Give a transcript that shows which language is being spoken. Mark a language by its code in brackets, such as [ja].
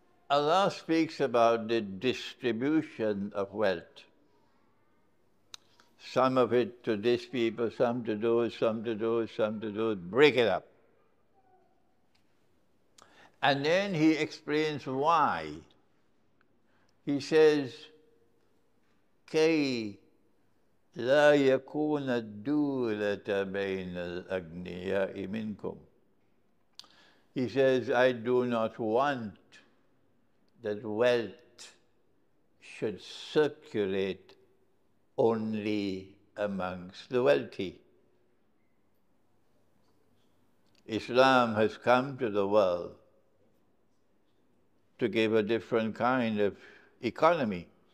[en] Allah speaks about the distribution of wealth. Some of it to these people, some to those, some to those, some to those. Break it up. And then He explains why. He says, [ar] كَيْ لَا يَكُونَ الدُّولَةَ بَيْنَ الْأَغْنِيَاءِ مِنْكُمْ. [en] He says, I do not want that wealth should circulate only amongst the wealthy. Islam has come to the world to give a different kind of economy.